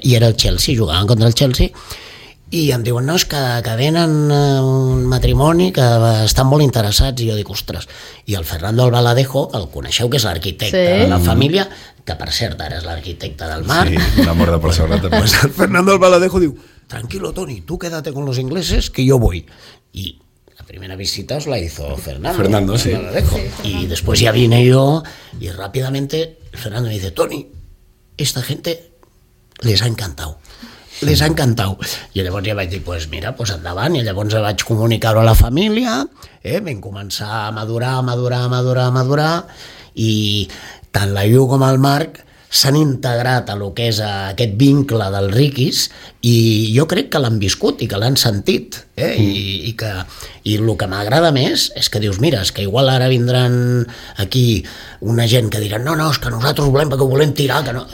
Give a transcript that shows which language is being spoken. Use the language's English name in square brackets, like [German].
[Catalan] I era el Chelsea, jugaven contra el Chelsea, i em diuen, no, és que venen un matrimoni, que estan molt interessats, i jo dic, ostres, i el Fernando Albaladejo, el coneixeu, que és l'arquitecte de la família, que per cert ara és l'arquitecte del Marc. Sí, una mort de persona. [Spanish] Pues el Fernando Albaladejo diu, tranquilo, Toni, tu quédate con los ingleses, que yo voy. I la primera visita os la hizo Fernando, sí. Albaladejo. Sí, y después ya vine yo, y rápidamente Fernando me dice, Toni, esta gente les ha encantado. [Catalan] Les ha encantat. I llavors ja vaig dir, [Spanish] pues mira, [Catalan] pues endavant. I llavors vaig comunicar-ho a la família, vam començar a madurar, a madurar, a madurar, a madurar, i tant la Llu com el Marc s'han integrat a lo que és aquest vincle del Riquis, i jo crec que l'han viscut i que l'han sentit, i lo que m'agrada més és que dius, mira, és que igual ara vindran aquí una gent que diran, no, és que nosaltres volem, perquè volem tirar, que no.